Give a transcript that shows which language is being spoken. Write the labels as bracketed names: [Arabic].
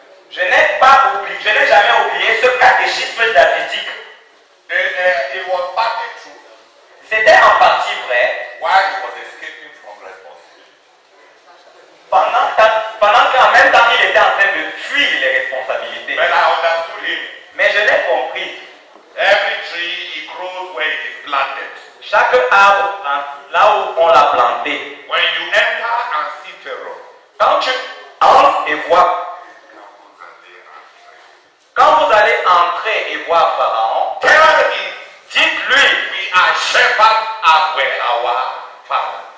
[French] Je n'ai pas oublié, je n'ai jamais oublié ce catéchisme davidique. [English] It was partly true. [French] C'était en partie vrai. [English] While he was escaping from responsibility. [French] Pendant qu'en même temps il était en train de fuir les responsabilités. [English] But I understood him. [French] Mais je l'ai compris. [English] Every tree it grows where it is planted. [French] Chaque arbre, hein, là où on l'a planté. [English] When you enter and see the road, [French] quand tu entres et vois, quand vous allez entrer et voir Pharaon, dites-lui, [English] we are shepherds after our father.